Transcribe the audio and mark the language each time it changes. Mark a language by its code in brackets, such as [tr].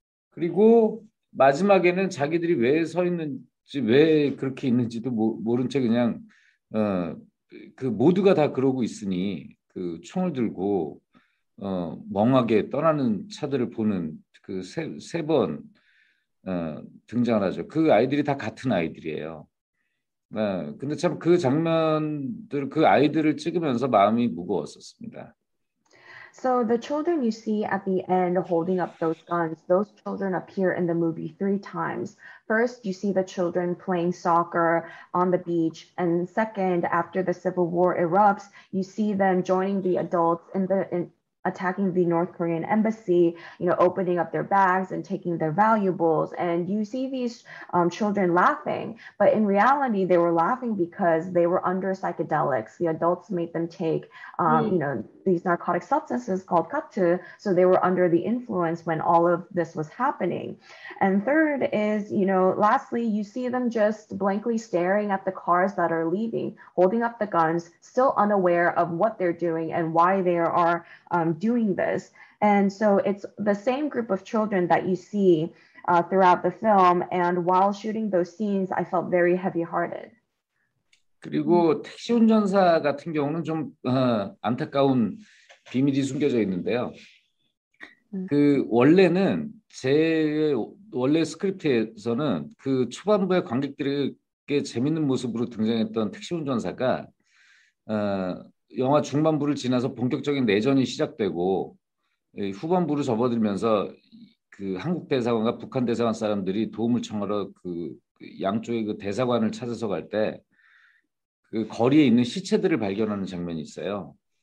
[ko] 그리고 마지막에는 자기들이 왜 서 있는지 왜 그렇게 있는지도 모른 채 그냥 그 모두가 다 그러고 있으니 그 총을 들고 멍하게 떠나는 차들을 보는 그 세 번 등장을 하죠. 그 아이들이 다 같은 아이들이에요. 근데 참 그 장면들 그 아이들을 찍으면서 마음이 무거웠었습니다. [en] So the children you see at the end holding up those guns, those children appear in the movie three times. First, you see the children playing soccer on the beach. And second, after the civil war erupts, you see them joining the adults in attacking the North Korean embassy, you know, opening up their bags and taking their valuables. And you see these children laughing. But in reality, they were laughing because they were under psychedelics. The adults made them take, you know, these narcotic substances called katu. So they were under the influence when all of this was happening. And third is, you know, lastly, you see them just blankly staring at the cars that are leaving, holding up the guns, still unaware of what they're doing and why they are doing this. And so it's the same group of children that you see throughout the film. And while shooting those scenes, I felt very heavy-hearted. [ko] 그리고 택시 운전사 같은 경우는 좀 안타까운 비밀이 숨겨져 있는데요. 그 원래는 제 원래 스크립트에서는 그 초반부에 관객들에게 재밌는 모습으로 등장했던 택시 운전사가 영화 중반부를 지나서 본격적인 내전이 시작되고 후반부로 접어들면서 그 한국 대사관과 북한 대사관 사람들이 도움을 청하러 그 양쪽의 그 대사관을 찾아서 갈 때 그 거리에 있는 시체들을 발견하는 장면이 있어요.